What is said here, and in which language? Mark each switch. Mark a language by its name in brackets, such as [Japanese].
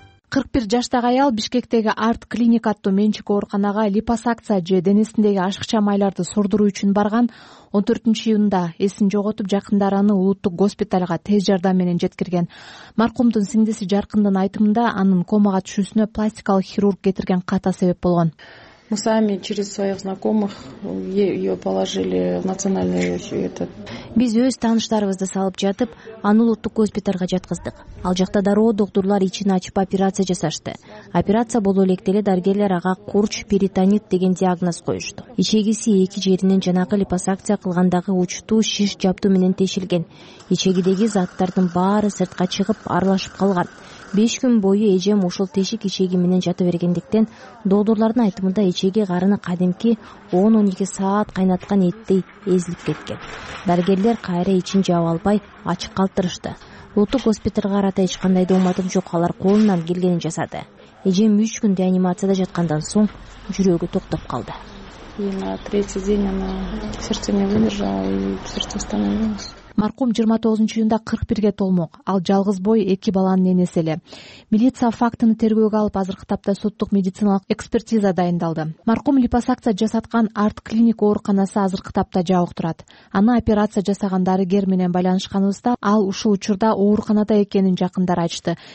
[Kyrgyz] 41 жаштагы аял Бишкектеги Арт клиника аттуу менчик ооруканага липосакция же денесиндеги ашыкча майларды сордуруу үчүн барган. 14 июнда эсин жоготуп, жакындары аны улуттук госпиталга тез жардам менен жеткирген. Маркумдун сиңдиси Жаркындын айтымында анын комага түшүүсүнө пластикалык хирург кетирген ката себеп болгон. [Russian] Мы сами через своих знакомых ее положили в национальный этот. [Kyrgyz] Биз өз тааныштарыбызды салып жатып, аны улуттук госпитальга жаткыздык. Ал жакта дароо доктурлар ичин ачып операция жасашты. Операция боло электе эле дарыгерлер ага курч перитонит деген диагноз коюшту. Ичегиси эки жеринен жанагы липосакция кылгандагы учту шиш жаптуу менен тешилген. Ичегидеги заттардын баары сыртка чыгып аралашып калган. 5 күн бою эжем ушул тешик ичеги менен жата бергендиктен, доктурлардын айтымында ичеги карыны кадимки 10-12 саат кайнаткан эттей эзилип кеткен. Дарыгерлер кайра ичин жаап албай ачык калтырышты. Улуттук госпитальга карата эч кандай дооматым жок, алар колунан келгенин жасады. Эжем 3 күн реанимацияда жаткандан соң жүрөгү токтоп калды. [Russian] На третий день она сердце не выдержала и сердце остановилось. [Kyrgyz] Маркум 29 июнда 41 толмок. Ал жалгыз бой 2 баланын энеси эле. Милиция фактыны тергөөгө алып, азыркы тапта соттук медициналык экспертиза дайындалды. Маркум липосакция жасаткан арт клиник ооруканасы азыркы тапта жабык турат. Аны операция жасаган дарыгер менен байланышканыбызда ал ушул учурда ооруканада экенин жакындар айтты.